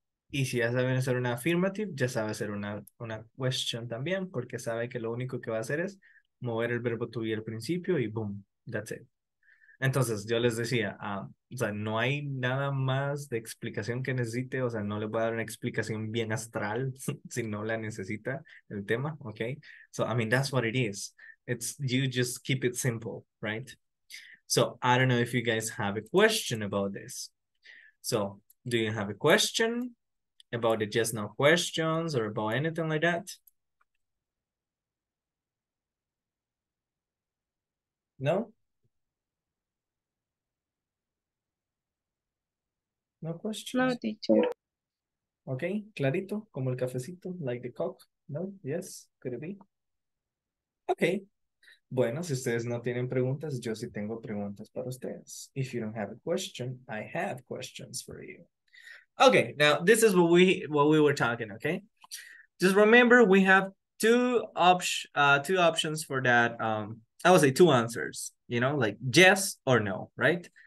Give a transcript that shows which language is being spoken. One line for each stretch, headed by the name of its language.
Spanish: Y si ya saben hacer una affirmative, ya sabe hacer una question también, porque sabe que lo único que va a hacer es mover el verbo to be al principio y
English: boom, that's it.
Spanish: Entonces, yo les decía, o sea, no hay nada más de explicación que necesite, o sea, no les voy a dar una explicación bien astral si no la necesita el tema, okay?
English: So, I mean, that's what it is. It's, you just keep it simple, right? So, I don't know if you guys have a question about this. So, do you have a question about the just now questions or about anything like that? No? No questions? No, teacher. Okay,
Spanish: clarito, como el cafecito,
English: like the cock. No, yes, could it be? Okay.
Spanish: Bueno, si ustedes no tienen preguntas, yo sí tengo preguntas para ustedes.
English: If you don't have a question, I have questions for you. Okay, now this is what we were talking, okay? Just remember, we have two options for that. I would say two answers, you know, like yes or no, right?